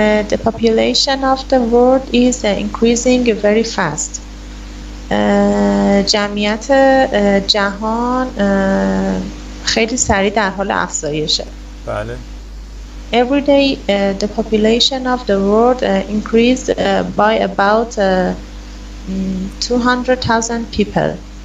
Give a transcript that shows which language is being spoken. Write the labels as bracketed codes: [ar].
[en] The population of the world is increasing very fast. [fa] جمعیت جهان خیلی سریع در حال افزایشه. بله. [en] Every day the population of the world increased by about 200,000 people.